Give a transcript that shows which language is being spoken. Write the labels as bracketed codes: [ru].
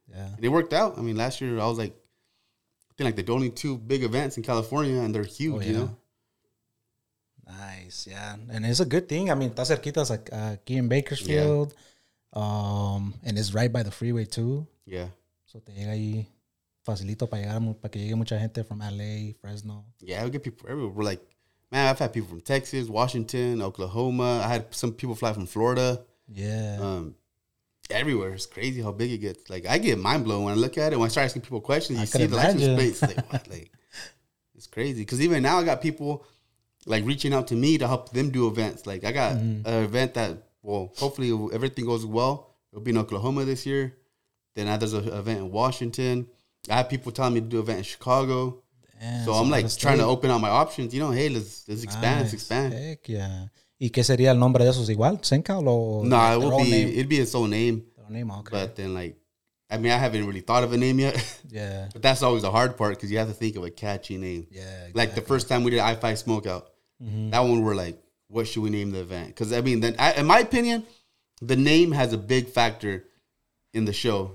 [en] Yeah. And it worked out. I mean, last year I was like, I think like the only two big events in California, and they're huge, you know? Nice, yeah. And it's a good thing. I mean, [es] está cerquita, [en] it's like aquí in Bakersfield. Yeah. And it's right by the freeway, too. Yeah. [es] So te llega ahí facilito para llegar, para que llegue mucha gente from LA, Fresno. [en] Yeah, we get people everywhere. We're like, man, I've had people from Texas, Washington, Oklahoma. I had some people fly from Florida. Yeah. Everywhere, it's crazy how big it gets. Like, I get mind blown when I look at it. When I start asking people questions, you see the license plates. Like, it's crazy. Because even now, I got people like reaching out to me to help them do events. Like, I got an event that, well, hopefully, everything goes well. It'll be in Oklahoma this year. Then there's an event in Washington. I have people telling me to do an event in Chicago. Damn, so I'm like trying to open up my options. You know, hey, let's expand, nice. Heck yeah. [es] ¿Y qué sería el nombre de esos? ¿Igual? ¿Zencal? [en] No, it would be, it'd be its own name. Their own name, okay. But then like, I mean, I haven't really thought of a name yet. Yeah. But that's always the hard part because you have to think of a catchy name. Yeah. Exactly. Like the first time we did I-Fi Smokeout, mm-hmm. that one we're like, what should we name the event? Because, I mean, then in my opinion, the name has a big factor in the show.